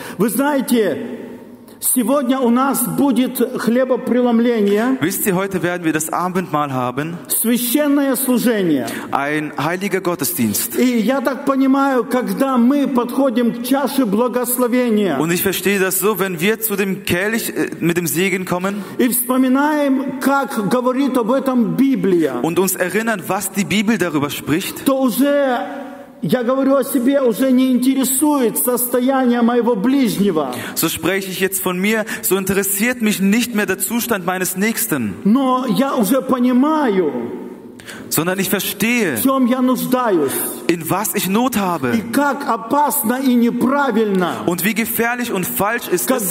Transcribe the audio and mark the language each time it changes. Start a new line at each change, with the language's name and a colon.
Russian: Вы знаете, сегодня у нас будет хлебопреломление.
German: Wisst ihr, heute werden wir das Abendmahl haben.
Russian: Священное служение.
German: Ein heiliger Gottesdienst.
Russian: И я так понимаю, когда мы подходим к чаше благословения.
German: Und ich verstehe das so, wenn wir zu dem Kelch mit dem Segen kommen.
Russian: И вспоминаем, как говорит об этом Библия.
German: Und uns erinnern, was die Bibel darüber spricht.
Russian: То уже я говорю о себе, уже не интересует состояние моего ближнего.
German: So spreche ich jetzt von mir, so interessiert mich nicht mehr der Zustand meines Nächsten.
Russian: Но я уже понимаю.
German: Sondern ich verstehe, in was ich Not habe und wie gefährlich und falsch ist